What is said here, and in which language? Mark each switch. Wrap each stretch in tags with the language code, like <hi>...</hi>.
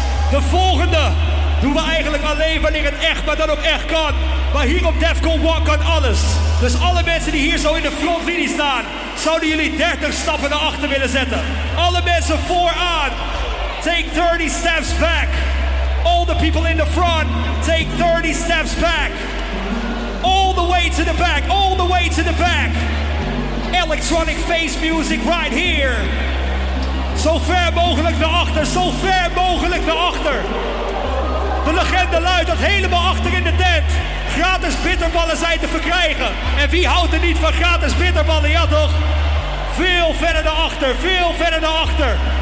<nl>De volgende doen we eigenlijk alleen wanneer het echt, maar dan ook echt kan. Maar hier op DEFCON 1 kan alles. Dus alle mensen die hier zo in de frontlinie staan, zouden jullie 30 stappen naar achter willen zetten. Alle mensen vooraan,</nl> <en>take 30 steps back. All the people in the front, take 30 steps back. All the way to the back, all the way to the back. Electronic face music right here.</en> <nl>Zo ver mogelijk naar achter, zo ver mogelijk naar achter. De legende luidt dat helemaal achter in de tent gratis bitterballen zijn te verkrijgen. En wie houdt er niet van gratis bitterballen, ja toch? Veel verder naar achter, veel verder naar achter.</nl>